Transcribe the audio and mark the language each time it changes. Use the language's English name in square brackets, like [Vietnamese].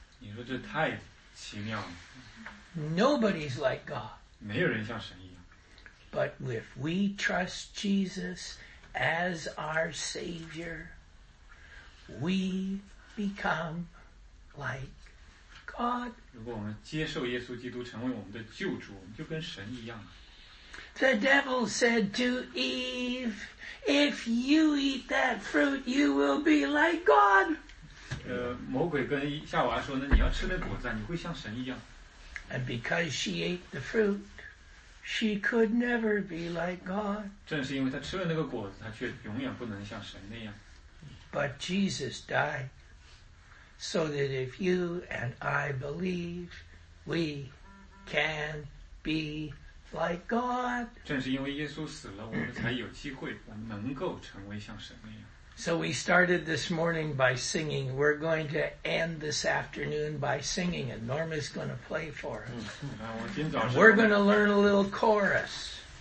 [Chinese] 你说这太奇妙了。 [English] Nobody's like God. [Chinese] 没有人像神一样。 [English] But if we trust Jesus as our Savior, we become like God. [Chinese] 如果我们接受耶稣基督成为我们的救主，我们就跟神一样了。 [English] The devil said to Eve, if you eat that fruit, you will be like God. [Chinese] 魔鬼跟夏娃说呢, 你要吃那果子啊, 你会像神一样。 [English] And because she ate the fruit, she could never be like God. [Chinese] 正是因为她吃了那个果子, 她却永远不能像神那样。 [English] But Jesus died so that if you and I believe, we can be like God. [Chinese] 正是因为耶稣死了，我们才有机会，我们能够成为像神那样。 [English] So we started this morning by singing. We're going to end this afternoon by singing, and Norma's going to play for us. We're going to learn a little chorus.